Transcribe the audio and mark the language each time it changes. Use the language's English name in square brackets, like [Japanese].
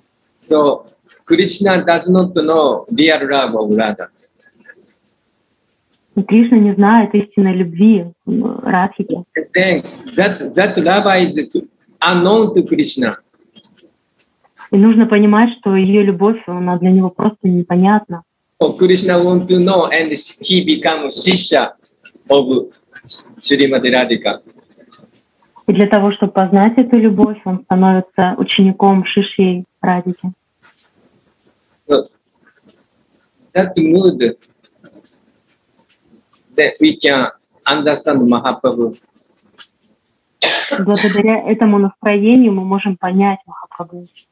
[English] So Krishna does not know real love of Radha. [Russian] И Кришна не знает истинной любви Радхики. [English] Then that love is unknown to Krishna. [Russian] И нужно понимать, что ее любовь, она для него просто непонятна. [English] Кришна want to know, and he become shishya of Shrimati Radhika. [Russian] И для того, чтобы познать эту любовь, он становится учеником Шишьи Радхики. [English] So that mood that we can understand Mahaprabhu. [Russian] Благодаря этому настроению мы можем понять Махапрабху.